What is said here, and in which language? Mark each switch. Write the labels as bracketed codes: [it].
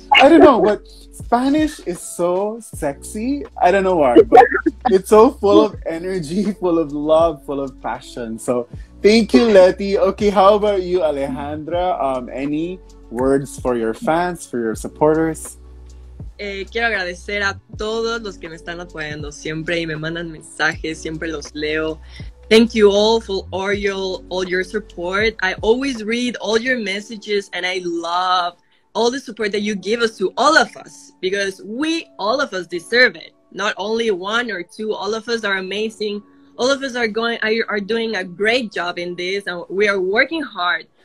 [en] I don't know, but Spanish is so sexy. I don't know why, but it's so full of energy, full of love, full of passion. So thank you, Leti. Okay, how about you, Alejandra? Any words for your fans, for your supporters? [es] Quiero agradecer a todos los que me están apoyando siempre y me mandan mensajes, siempre los leo. [en] Thank you all for all your support. I always read all your messages and I love all the support that you give us to all of us, because we, all of us, deserve it. Not only one or two, all of us are amazing. All of us are doing a great job in this, and we are working hard.